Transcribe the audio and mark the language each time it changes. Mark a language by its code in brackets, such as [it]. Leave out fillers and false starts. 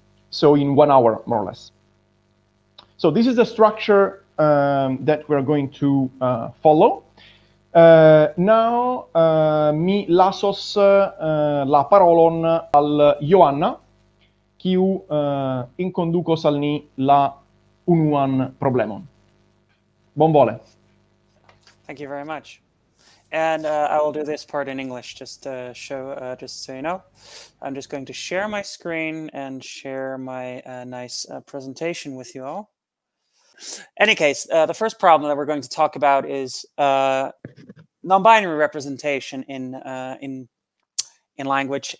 [en] So in 1 hour, more or less. So this is the structure that we're going to follow. [eo] Now mi lasos la parolon al Joanna, kiu inconducos al ni la unuan problemon. Bonvole. [en] Thank you very much. And I will do this part in English, just to show, just so you know. I'm just going to share my screen and share my nice presentation with you all. Any case, the first problem that we're going to talk about is non-binary representation in language.